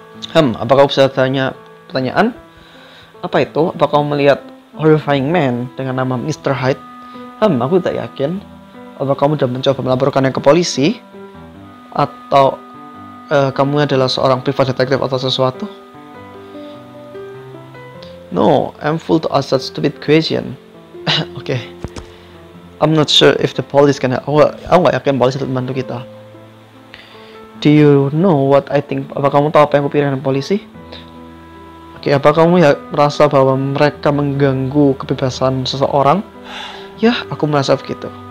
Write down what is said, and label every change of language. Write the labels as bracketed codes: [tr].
[id] Apakah kau bisa tanya pertanyaan? Apa itu? Apakah kau melihat horrifying man dengan nama Mr. Hyde? Aku tidak yakin. Apakah kamu sudah mencoba melaporkannya ke polisi? Atau kamu adalah seorang private detective atau sesuatu? [en] No, I'm full to ask that stupid question. Oke. Okay. I'm not sure if the police can help. [id] Aku gak yakin polisi untuk membantu kita. [en] Do you know what I think? [id] Apa kamu tahu apa yang kupikirkan polisi? Oke, apa kamu ya merasa bahwa mereka mengganggu kebebasan seseorang? Ya, aku merasa begitu.